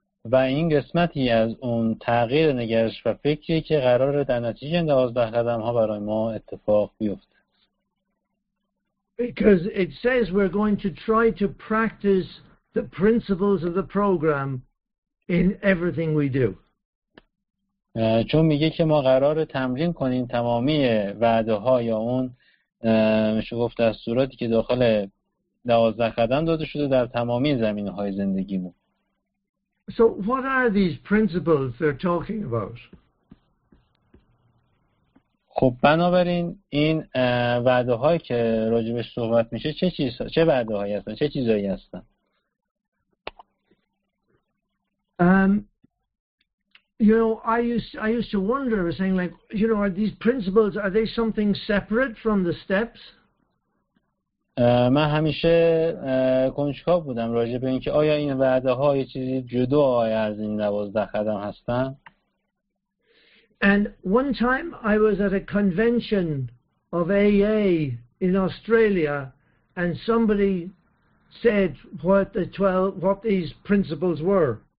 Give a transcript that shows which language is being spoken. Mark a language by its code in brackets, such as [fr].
[fa] و این قسمتی از اون تغییر نگرش و فکری که قراره در نتیجه 12 قدم ها برای ما اتفاق بیفته. [en] Because it says we're going to try to practice the principles of the program in everything we do. [fa] چون میگه که ما قراره تمرین کنیم تمامی وعده ها یا اون میشه گفت دستوراتی که داخل 12 قدم داده شده در تمامی زمین های زندگیمون. [en] So what are these principles they're talking about? [fa] خب بنابراین این وعده‌هایی که راجبش صحبت میشه چه وعده‌هایی هستن؟ چه چیزایی هستن؟ [en] You know, I used to wonder, I was saying like, you know, are these principles, are they something separate from the steps? [fa] من همیشه کنجکاو بودم راجع به اینکه آیا این وعده ها یه چیزی جدا از این 12 قدم هستن. [en] And one time I was at a convention of AA in Australia and somebody said what these principles were.